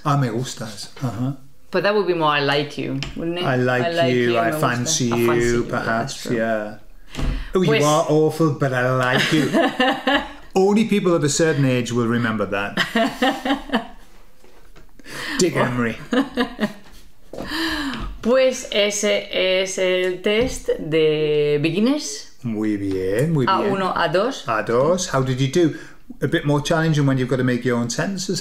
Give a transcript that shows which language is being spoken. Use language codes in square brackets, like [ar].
[es] Ah, me gustas, uh-huh. [en] But that would be more, I like you, wouldn't it? I like you, I fancy you, perhaps, yeah. Oh, you pues... are awful, but I like you. Only people of a certain age will remember that. Dick Emery. [es] Pues ese es el test de beginners. Muy bien, muy bien. A uno, a dos. A dos. [en] How did you do? A bit more challenging when you've got to make your own sentences.